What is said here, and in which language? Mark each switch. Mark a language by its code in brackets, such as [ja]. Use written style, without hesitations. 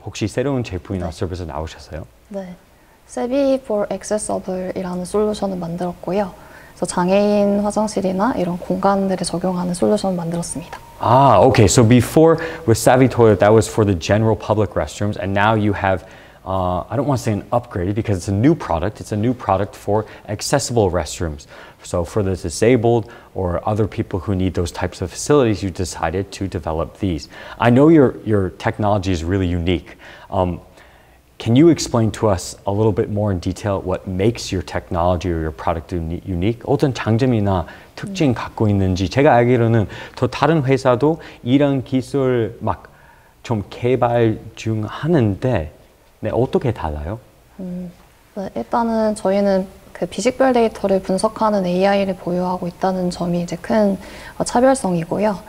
[ko] 혹시 새로운 제품이나 서비스 나오셨어요? 네, Savvy for Accessible이라는 솔루션을 만들었고요. 그래서 장애인 화장실이나 이런 공간들에 적용하는 솔루션을 만들었습니다. [en] Ah, okay. So before with Savvy Toilet, that was for the general public restrooms, and now you have I don't want to say an upgrade because it's a new product. It's a new product for accessible restrooms. So for the disabled or other people who need those types of facilities, you decided to develop these. I know your technology is really unique. Can you explain to us a little bit more in detail what makes your technology or your product unique? [ko] 어떤 장점이나 특징 갖고 있는지 제가 알기로는 또 다른 회사도 이런 기술 막 좀 개발 중 하는데 네, 어떻게 달라요? 네, 일단은 저희는 그 비식별 데이터를 분석하는 AI를 보유하고 있다는 점이 이제 큰 차별성이고요.